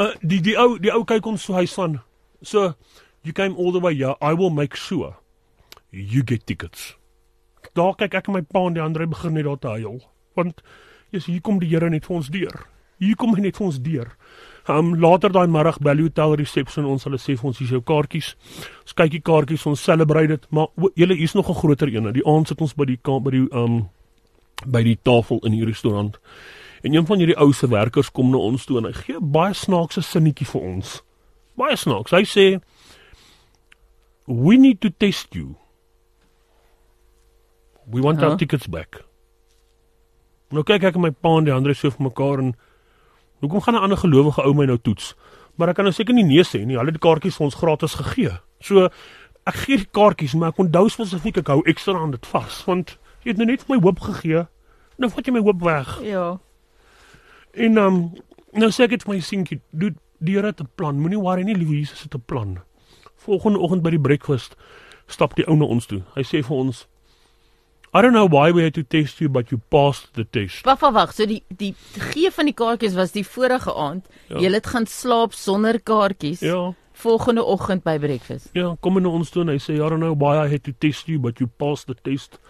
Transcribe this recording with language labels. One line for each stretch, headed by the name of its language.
Afrikaans: die ou kyk ons so, hy sê, so,
English: you came all the way, yeah, I will make sure you get tickets.
Afrikaans: Daar kyk ek en my pa en die ander, hy begin net daar te huil. Want, yes, hier kom die Here net vir ons deur. Hier kom hy net vir ons deur. Later daai middag bel die hotel reception, ons hulle sê vir ons, hier's jou kaartjies, ons kyk die kaartjies, ons celebrate dit, maar julle, hier's nog 'n groter ene, die aand sit ons by die tafel in die restaurant, en een van hierdie ouse werkers kom na ons toe, en hy gee baie snaakse sinnetjie vir ons, baie snaaks, hy sê,
English: we need to test you, we want our tickets back.
Afrikaans: Nou kyk ek en my pa en die ander so vir mekaar, en Hoekom gaan 'n ander gelowige ou my nou toets? Maar ek kan nou seker nie nee sê nie. Hulle het die kaartjies vir ons gratis gegee. So ek gee die kaartjies, maar ek onthou spesifiek ek hou ekstra aan dit vas, want jy het nou net my hoop gegee. Nou vat jy my hoop weg. Ja. En nou sê ek het my sinkie, dude, die Here het 'n plan. Moenie worry nie, liewe Jesus het 'n plan. Volgende oggend by die breakfast stap die ou na ons toe. Hy sê vir ons,
English: I don't know why we had to test you, but you passed the test.
Afrikaans: Wacht, so die gee van die kaartjies was die vorige aand. Ja. Jy het gaan slaap sonder kaartjies. Ja. Volgende oggend by breakfast. Ja, kom in ons toe en hy sê,
English: I don't know why I had to test you, but you passed the test.